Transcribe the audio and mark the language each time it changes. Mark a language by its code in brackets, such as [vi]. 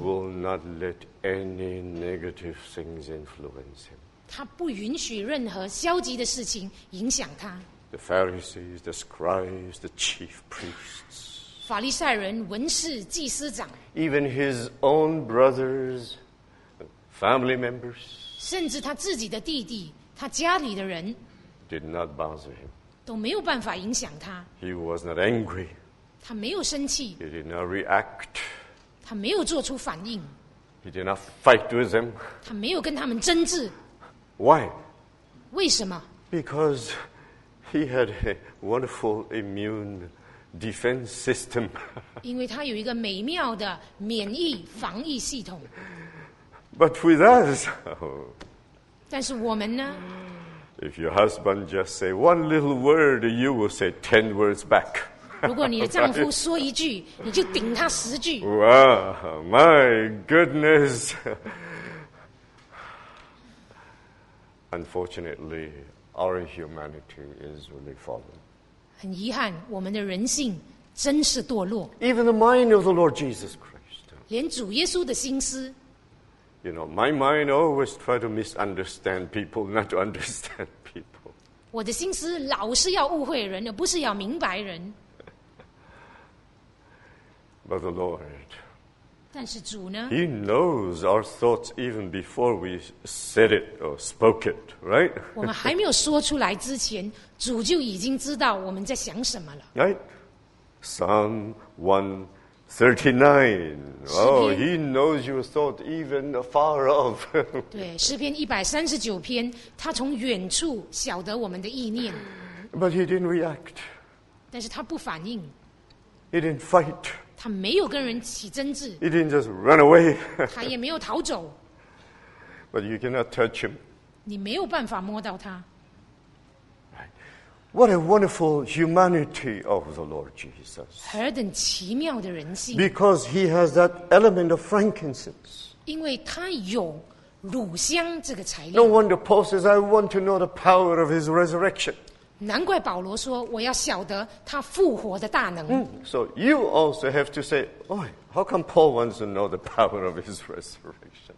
[en] He will not let any negative things influence him. [zh] 他不允许任何消极的事情影响他。 [en] The Pharisees, the scribes, the chief priests. [zh] 法利赛人、文士、祭司长。 [en] Even his own brothers, family members. [zh] 甚至他自己的弟弟，他家里的人。 [en] Did not bother him. [zh] 都没有办法影响他。 [en] He was not angry. [zh] 他没有生气。 [en] He did not react. [zh] 他没有做出反应。 [en] He did not fight with them. [zh] 他没有跟他们争执。 [en] Why? [zh] 为什么？ [en] Because he had a wonderful immune defense system. [zh] 因为他有一个美妙的免疫防疫系统。 [en] But with us, [zh] 但是我们呢？ [en] If your husband just say one little word, you will say 10 words back. [zh] 如果你的丈夫说一句，你就顶他十句。 [en] Wow, my goodness! Unfortunately, our humanity is really fallen. [zh] 很遗憾，我们的人性真是堕落。 [en] Even the mind of the Lord Jesus Christ. [zh] 连主耶稣的心思。 [en] You know, my mind always try to misunderstand people, not to understand people. [zh] 我的心思老是要误会人，而不是要明白人。 [en] But the Lord, [zh] 但是主呢? [en] He knows our thoughts even before we said it or spoke it, right? [zh] 我们还没有说出来之前，主就已经知道我们在想什么了。 [en] Right? Psalm 139. Oh, He knows your thought even far off. [zh] 对，诗篇139篇，他从远处晓得我们的意念。 [en] But He didn't react. [zh] 但是他不反应。 [en] He didn't fight. [zh] 他没有跟人起争执。 [en] He didn't just run away. [zh] 他也没有逃走。 [en] But you cannot touch him. [zh] 你没有办法摸到他。 [en] What a wonderful humanity of the Lord Jesus. [zh] 何等奇妙的人性。 [en] Because he has that element of frankincense. [zh] 因为他有乳香这个材料。 [en] No wonder Paul says, I want to know the power of his resurrection. [zh] 难怪保罗说我要晓得他复活的大能。 [en] So you also have to say, "Oh, how come Paul wants to know the power of his resurrection?"